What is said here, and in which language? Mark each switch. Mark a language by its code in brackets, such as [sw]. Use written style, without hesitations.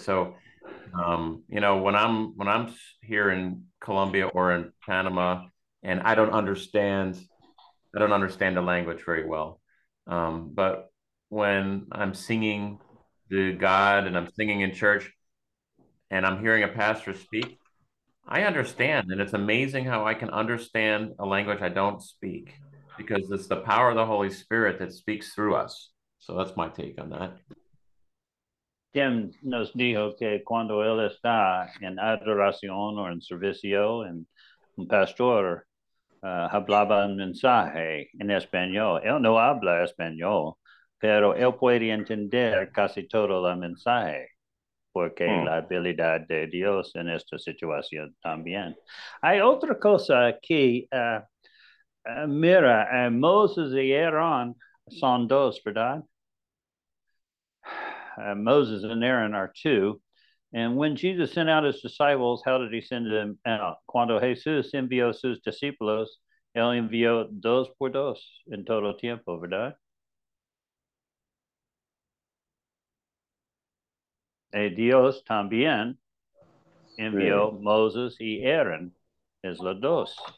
[en] So, you know, when I'm here in Colombia or in Panama, and I don't understand the language very well, but when I'm singing to God and I'm singing in church and I'm hearing a pastor speak, I understand. And it's amazing how I can understand a language I don't speak, because it's the power of the Holy Spirit that speaks through us. So that's my take on that. [es] Tim nos dijo que cuando él está en adoración o en servicio, en un pastor hablaba un mensaje en español. Él no habla español, pero él puede entender casi todo el mensaje, porque la habilidad de Dios en esta situación también. Hay otra cosa que, mira, Moses y Aaron son dos, ¿verdad? [en] Moses and Aaron are two. And when Jesus sent out his disciples, how did he send them out? [es] Cuando Jesús envió sus discípulos, él envió dos por dos en todo tiempo, ¿verdad? Dios también envió Moses y Aaron, es los dos.